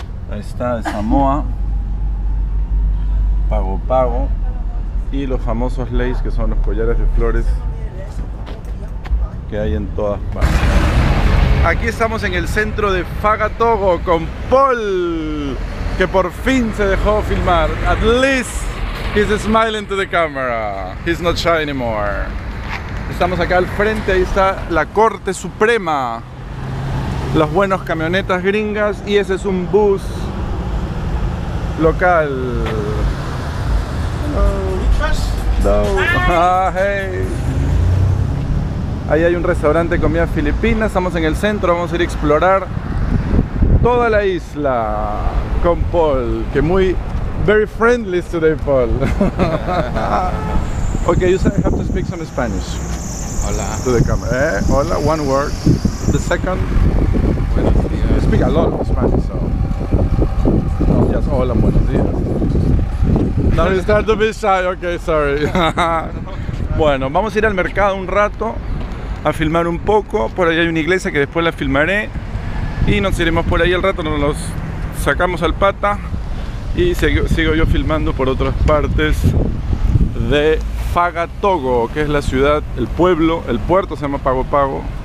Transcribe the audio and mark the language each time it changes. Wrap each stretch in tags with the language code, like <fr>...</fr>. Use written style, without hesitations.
<es>Ahí está de Samoa, Pago Pago, y los famosos leis, que son los collares de flores que hay en todas partes. Aquí estamos en el centro de Fagatogo con Paul, que por fin se dejó filmar.</es> <en>At least he's smiling to the camera. He's not shy anymore.</en> <es>Estamos acá al frente, ahí está la Corte Suprema. Los buenos camionetas gringas, y ese es un bus local.</es> <en>Hello. Hello. Ah, hey.</en> <es>Ahí hay un restaurante de comida filipina. Estamos en el centro, vamos a ir a explorar toda la isla con Paul, que muy</es> <en>very friendly today,</en> <es>Paul.</es> <en>Okay, you said I have to speak some Spanish.</en> <es>Hola.</es> <en>To the camera. Eh? Hola, one word. The second.</en> <es>Buenos días.</es> <en>You speak a lot of Spanish, so. No, yes,</en> <es>hola, buenos días.</es> <en>Now you start to be shy, okay, sorry.</en> <es>Bueno, vamos a ir al mercado un rato a filmar un poco. Por ahí hay una iglesia que después la filmaré. Y nos iremos por ahí al rato, nos los sacamos al pata y sigo yo filmando por otras partes de Fagatogo, que es la ciudad, el pueblo, el puerto se llama Pago Pago.</es>